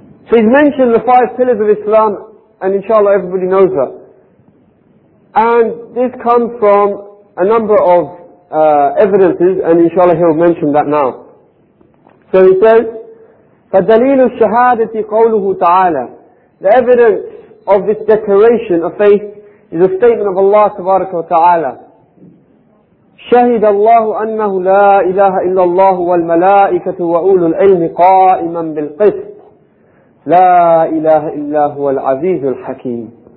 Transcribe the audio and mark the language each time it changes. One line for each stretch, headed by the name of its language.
English: So he's mentioned the five pillars of Islam, and inshallah everybody knows that. And this comes from a number of evidences, and inshallah he'll mention that now. So he says,
Arabic: فَدَلِيلُ الشَّهَادَةِ قَوْلُهُ تَعَالَى.
English: The evidence of this declaration of faith is a statement of Allah subhanahu wa ta'ala.
Arabic: شَهِدَ اللَّهُ أَنَّهُ لَا إِلَهَ إِلَّا اللَّهُ وَالْمَلَائِكَةُ وَأُولُو الْعِلْمِ قَائِمًا بِالْقِسْطِ لا إله إلا هو العزيز الحكيم.